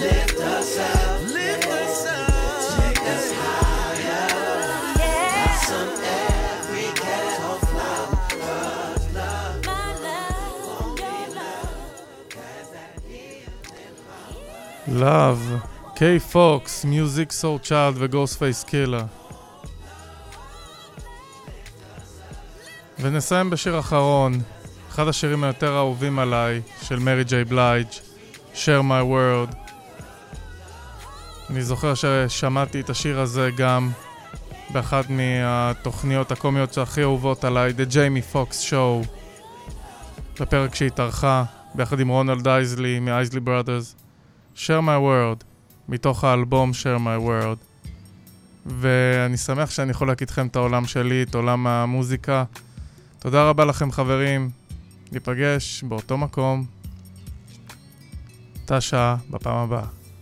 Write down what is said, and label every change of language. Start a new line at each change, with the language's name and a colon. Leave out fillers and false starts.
English: Lift us up. Lift us up. Take us higher. Yeah. Blossom every ghetto flower. Cause love, my love, only love, has that healing power. Love.
Hebrew: קיי פוקס, מיוזיק סול צ'ארד וגוסט פייס קילה. ונסיים בשיר אחרון, אחד השירים היותר אהובים עליי, של מרי ג'יי בלייג', Share My World. אני זוכר ששמעתי את השיר הזה גם באחת מהתוכניות הקומיות הכי אהובות עליי, The Jamie Foxx Show, בפרק שהתארכה ביחד עם רונלד אייזלי מאייזלי ברודרס. Share My World, מתוך האלבום Share My World. ואני שמח שאני יכול להקיד לכם את העולם שלי, את עולם המוזיקה. תודה רבה לכם חברים, ניפגש באותו מקום, תשעה בפעם הבאה.